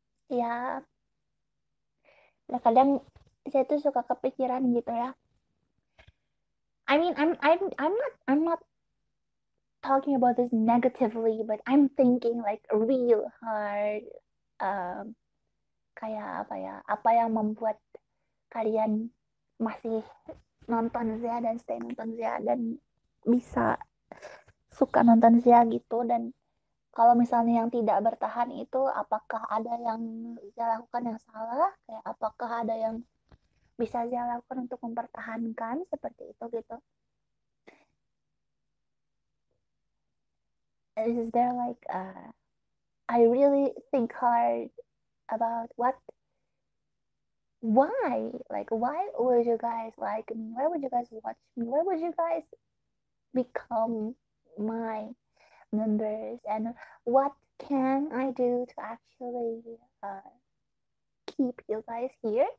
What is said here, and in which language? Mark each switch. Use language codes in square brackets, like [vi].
[id] Yeah. Nah, kadang saya tuh suka kepikiran gitu ya. [en] I mean, I'm not talking about this negatively, but I'm thinking like real hard. [id] Kayak apa ya? Apa yang membuat kalian masih nonton Zia dan stay nonton Zia dan bisa suka nonton Zia gitu? Dan kalau misalnya yang tidak bertahan itu, apakah ada yang saya lakukan yang salah? Kayak apakah ada yang bisa saya lakukan untuk mempertahankan seperti itu gitu? [en] Is there like I really think hard about what, why? Like, why would you guys like me? Why would you guys watch me? Why would you guys become my members, and what can I do to actually keep you guys here?